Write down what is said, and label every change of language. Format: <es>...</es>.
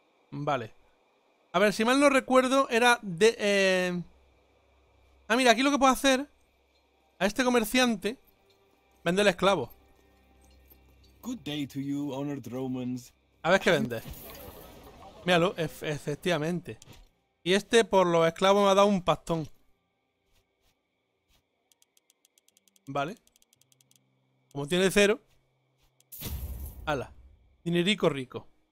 <es>Vale. A ver, si mal no recuerdo, era de... mira, aquí lo que puedo hacer... A este comerciante vende el esclavo.</es> <en>Good day to you, honored Romans.</en> <es>A ver qué vende. Míralo, efectivamente. Y este por los esclavos me ha dado un pastón. Vale. Como tiene cero. Hala. Dinerico rico.</es>